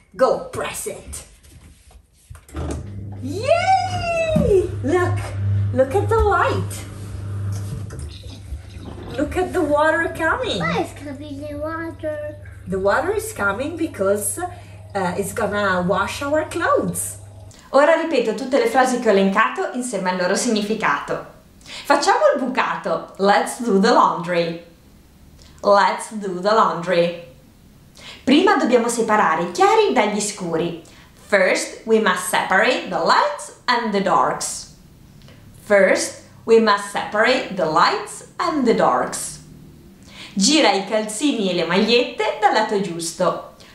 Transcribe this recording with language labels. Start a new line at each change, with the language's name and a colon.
English: Go press it. Yay! Look. Look at the light! Look at the water coming! Why is coming the water? The water is coming because it's gonna wash our clothes.
Italian: Ora ripeto tutte le frasi che ho elencato insieme al loro significato. Facciamo il bucato.
English: Let's do the laundry. Let's do the laundry.
Italian: Prima dobbiamo separare i chiari dagli scuri.
English: First, we must separate the lights and the darks. First, we must separate the lights and the darks.
Italian: Gira i calzini e le magliette dal lato giusto.